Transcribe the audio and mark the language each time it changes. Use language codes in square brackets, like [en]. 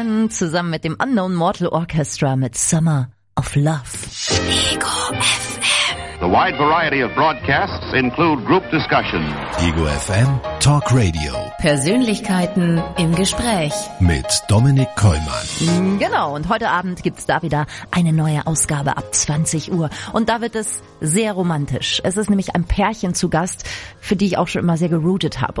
[de] zusammen mit dem Unknown Mortal Orchestra mit Summer of Love. Ego FM. [en] The wide variety of broadcasts include group discussion. [de] Ego FM Talk Radio. Persönlichkeiten im Gespräch. Mit Dominik Keumann. Genau, und heute Abend gibt's da wieder eine neue Ausgabe ab 20 Uhr. Und da wird es sehr romantisch. Es ist nämlich ein Pärchen zu Gast, für die ich auch schon immer sehr geroutet habe.